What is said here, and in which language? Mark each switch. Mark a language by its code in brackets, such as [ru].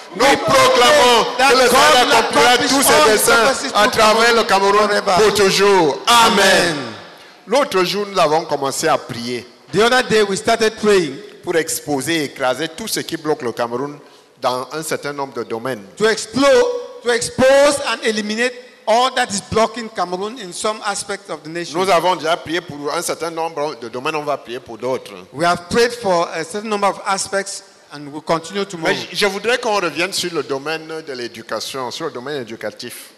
[fr] Nous proclamons que le Seigneur accomplira tous ses desseins à travers le Cameroun pour toujours. Amen. L'autre jour, nous avons commencé à prier. [en] The other day, we started praying [fr] pour exposer et écraser tout ce qui bloque le Cameroun dans un certain nombre de domaines. [en] To expose and eliminate all that is blocking Cameroon in some aspects of the nation. [fr] Nous avons déjà prié pour un certain nombre de domaines. On va prier pour d'autres. [en] We have prayed for a certain number of aspects. And we continue to move. [fr] Je voudrais qu'on revienne sur le domaine de l'éducation, sur le domaine éducatif.